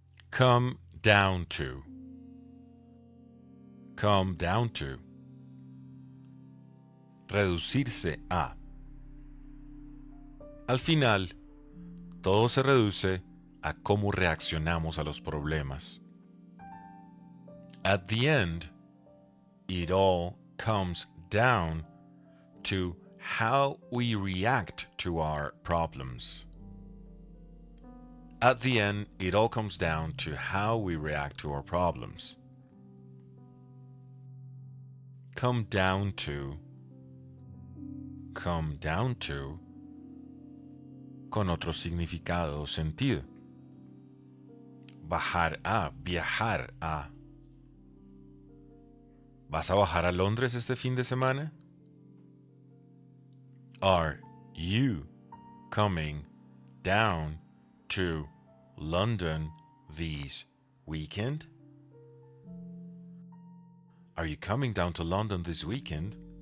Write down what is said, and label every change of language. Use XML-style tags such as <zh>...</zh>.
<en>Come down to. Come down to.</en> <es>Reducirse a. Al final, todo se reduce a cómo reaccionamos a los problemas.</es> <en>At the end, it all comes down to how we react to our problems. At the end, it all comes down to how we react to our problems. Come down to. Come down to.</en> <es>Con otro significado o sentido. Bajar a, viajar a. ¿Vas a bajar a Londres este fin de semana?</es> <en>Are you coming down to London this weekend? Are you coming down to London this weekend?</en>